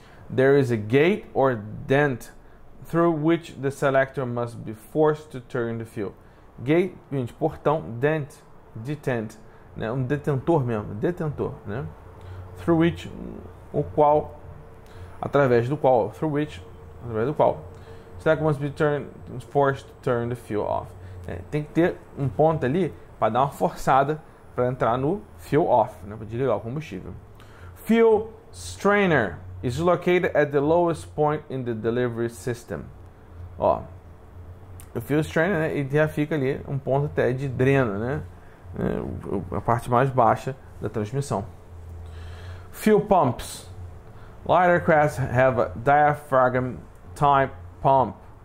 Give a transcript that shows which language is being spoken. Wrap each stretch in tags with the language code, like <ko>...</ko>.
<en>There is a gate or dent through which the selector must be forced to turn the fuel.</en> <pt>Gate, gente, portão. Dent, detent. Né? Um detentor mesmo. Detentor, né?</pt> <en>Through which,</en> <pt>o qual. Através do qual.</pt> <en>Through which,</en> <pt>através do qual.</pt> <en>Select must be forced to turn the fuel off.</en> <pt>É, tem que ter um ponto ali para dar uma forçada para entrar no fuel off, né, para desligar o combustível.</pt> <en>Fuel strainer is located at the lowest point in the delivery system.</en> <pt>Ó, o fuel strainer, né, ele já fica ali um ponto até de dreno, né, a parte mais baixa da transmissão.</pt> <en>Fuel pumps. Lighter crafts have a diaphragm type pump.</en>